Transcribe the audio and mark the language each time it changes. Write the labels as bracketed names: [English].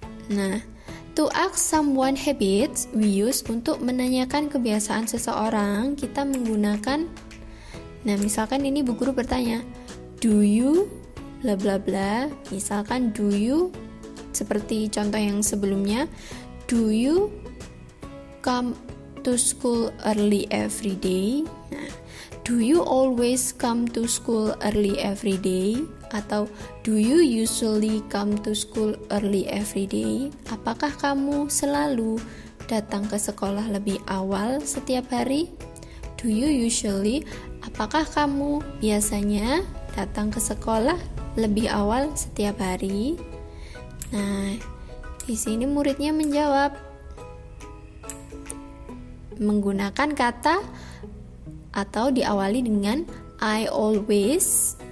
[Indonesian] Nah, [English] to ask someone habits we use [Indonesian] untuk menanyakan kebiasaan seseorang, kita menggunakan, nah misalkan ini bu guru bertanya, [English] do you bla bla bla, [Indonesian] misalkan do you, seperti contoh yang sebelumnya, [English] Do you come to school early every day? Do you always come to school early every day? [Indonesian] Atau [English] do you usually come to school early every day? [Indonesian] Apakah kamu selalu datang ke sekolah lebih awal setiap hari? [English] Do you usually? [Indonesian] Apakah kamu biasanya datang ke sekolah lebih awal setiap hari? Nah, di sini muridnya menjawab menggunakan kata atau diawali dengan [English] I always.